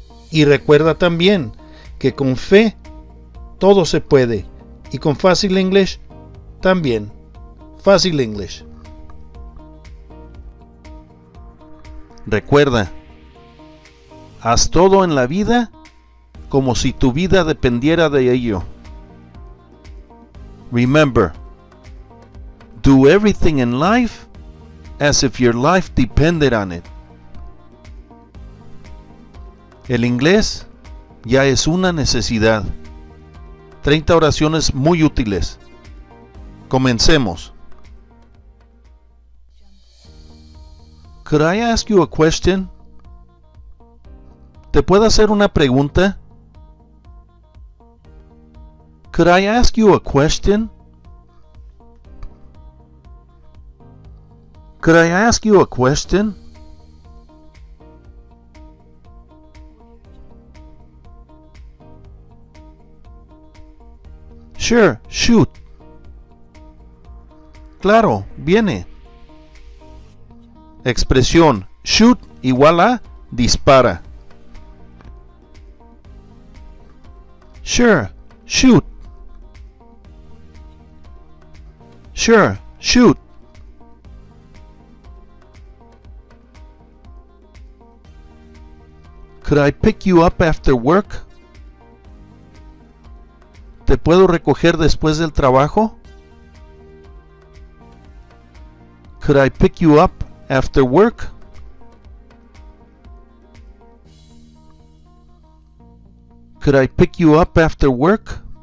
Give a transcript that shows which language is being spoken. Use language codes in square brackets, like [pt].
[es] Y recuerda también que con fe todo se puede y con Fácil English también. Fácil English. Recuerda, haz todo en la vida como si tu vida dependiera de ello. [en] Remember, do everything in life as if your life depended on it. [es] El inglés ya es una necesidad. 30 oraciones muy útiles. Comencemos. [en] Could I ask you a question? [es] ¿Te puedo hacer una pregunta? [en] Could I ask you a question? Could I ask you a question? Sure, shoot. [es] Claro, viene. Expresión shoot igual a dispara. [en] Sure, shoot. Sure, shoot. Could I pick you up after work? [es] ¿Te puedo recoger después del trabajo? [en] Could I pick you up after work? Could I pick you up after work?